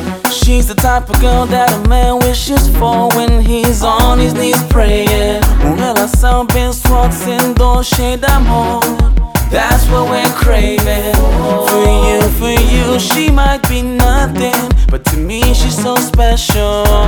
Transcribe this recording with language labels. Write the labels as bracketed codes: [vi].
[en] She's the type of girl that a man wishes for when he's on his knees praying. [pt] Um relação bem sucedida, cheia de amor. [en] That's what we're craving. For you, she might be nothing, but to me she's so special.